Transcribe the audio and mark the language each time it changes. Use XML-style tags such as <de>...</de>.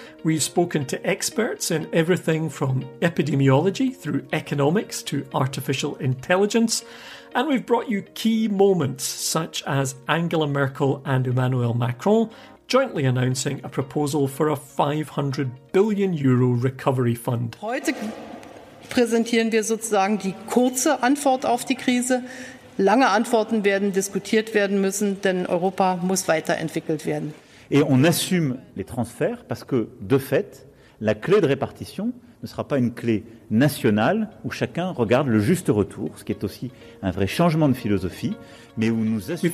<en>We've spoken to experts in everything from epidemiology through economics to artificial intelligence. And we've brought you key moments such as Angela Merkel and Emmanuel Macron jointly announcing a proposal for a 500 billion euro recovery fund.</en> <de>Heute präsentieren wir sozusagen die kurze Antwort auf die Krise. Lange Antworten werden diskutiert werden müssen, denn Europa muss weiterentwickelt werden.</de> <fr>Et on assume les transferts parce que de fait, la clé de répartition ne sera pas une clé nationale où chacun regarde le juste retour, ce qui est aussi un vrai changement de philosophie, mais où nous assumons...</fr>